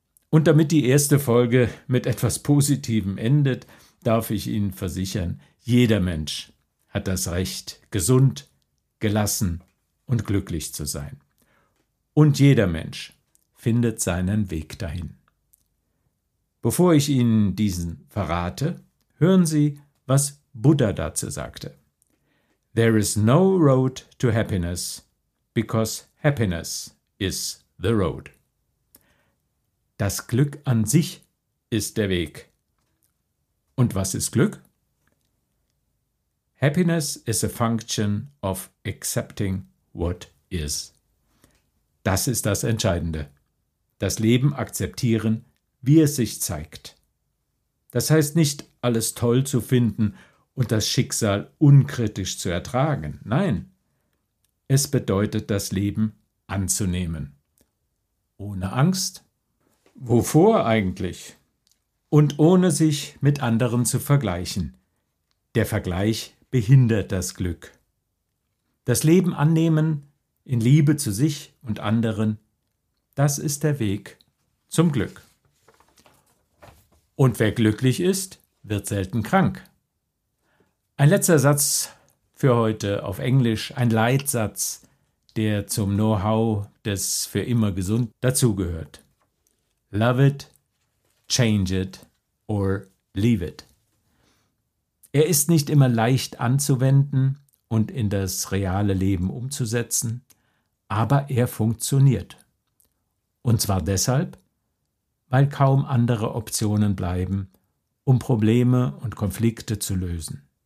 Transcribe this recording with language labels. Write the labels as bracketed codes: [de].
[de] Und damit die erste Folge mit etwas Positivem endet, darf ich Ihnen versichern, jeder Mensch hat das Recht, gesund, gelassen und glücklich zu sein. Und jeder Mensch findet seinen Weg dahin. Bevor ich Ihnen diesen verrate, hören Sie, was Buddha dazu sagte. [en] There is no road to happiness, because happiness is the road. [de] Das Glück an sich ist der Weg. Und was ist Glück? [en] Happiness is a function of accepting what is. [de] Das ist das Entscheidende. Das Leben akzeptieren, wie es sich zeigt. Das heißt nicht, alles toll zu finden und das Schicksal unkritisch zu ertragen. Nein, es bedeutet, das Leben anzunehmen. Ohne Angst? Wovor eigentlich? Und ohne sich mit anderen zu vergleichen. Der Vergleich behindert das Glück. Das Leben annehmen in Liebe zu sich und anderen, das ist der Weg zum Glück. Und wer glücklich ist, wird selten krank. Ein letzter Satz für heute auf Englisch, ein Leitsatz, der zum Know-how des für immer gesund dazugehört. [en] Love it, change it or leave it. [de] Er ist nicht immer leicht anzuwenden und in das reale Leben umzusetzen, aber er funktioniert. Und zwar deshalb, weil kaum andere Optionen bleiben, um Probleme und Konflikte zu lösen.